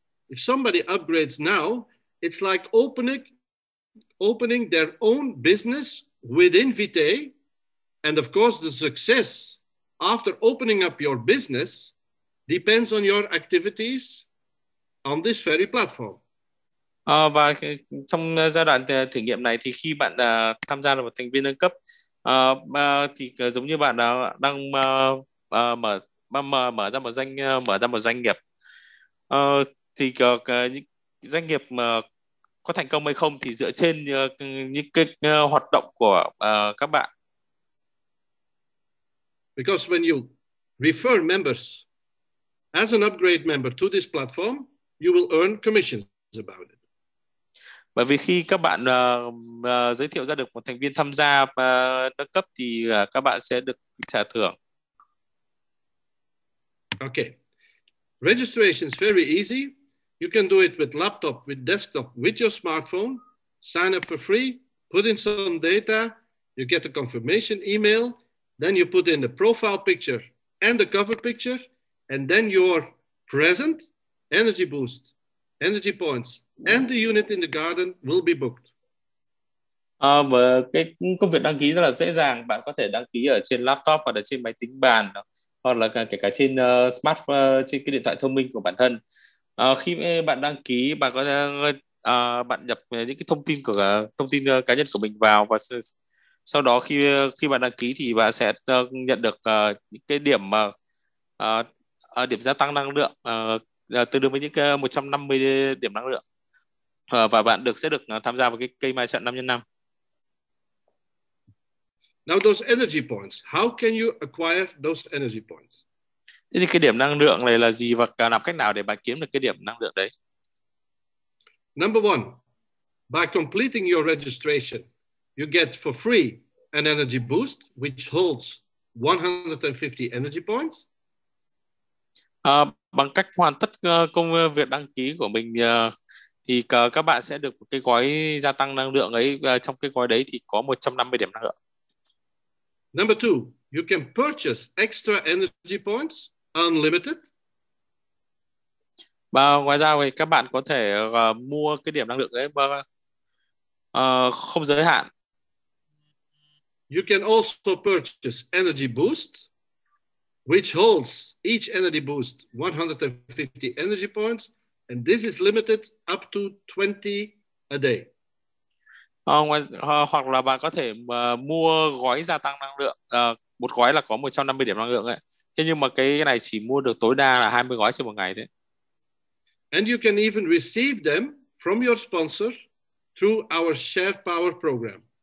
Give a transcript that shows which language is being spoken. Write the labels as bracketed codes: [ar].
[en] If somebody upgrades now, it's like opening their own business within Vitae, and of course the success after opening up your business depends on your activities on this very platform. [vi] Và trong giai đoạn thử nghiệm này thì khi bạn tham gia là một thành viên nâng cấp thì giống như bạn đang mở ra một doanh nghiệp thì những doanh nghiệp mà có thành công hay không thì dựa trên những cái hoạt động của các bạn. [en] Because when you refer members as an upgrade member to this platform, you will earn commissions about it. [vi] Bởi vì khi các bạn giới thiệu ra được một thành viên tham gia nâng cấp thì các bạn sẽ được trả thưởng. [en] Okay. Registration is very easy. You can do it with laptop, with desktop, with your smartphone. Sign up for free, put in some data, you get a confirmation email, then you put in the profile picture and the cover picture, and then your present, energy boost, energy points, and the unit in the garden will be booked. [vi] Và cái công việc đăng ký rất là dễ dàng. Bạn có thể đăng ký ở trên laptop hoặc là trên máy tính bàn hoặc là kể cả trên trên cái điện thoại thông minh của bản thân. Khi bạn đăng ký, bạn có thể bạn nhập những cái thông tin cá nhân của mình vào và sau đó khi bạn đăng ký thì bạn sẽ nhận được những cái điểm điểm gia tăng năng lượng tương đương với những 150 điểm năng lượng và bạn sẽ được tham gia vào cái cây mai trận 5x5. [en] Now those energy points, how can you acquire those energy points? [vi] Thì cái điểm năng lượng này là gì và làm cách nào để bạn kiếm được cái điểm năng lượng đấy? [en] Number one, by completing your registration, you get for free an energy boost which holds 150 energy points. [vi] Bằng cách hoàn tất công việc đăng ký của mình thì các bạn sẽ được cái gói gia tăng năng lượng ấy, trong cái gói đấy thì có 150 điểm năng lượng. [en] Number two, you can purchase extra energy points unlimited. [vi] Và ngoài ra thì các bạn có thể mua cái điểm năng lượng ấy không giới hạn. [en] You can also purchase energy boost, which holds each energy boost 150 energy points, and this is limited up to 20 a day. [vi] Hoặc là bạn có thể mua gói gia tăng năng lượng, một gói là có 150 điểm năng lượng ấy. Thế nhưng mà cái này chỉ mua được tối đa là 20 gói trên một ngày đấy. [en] And you can even receive them from your sponsor through our share power program.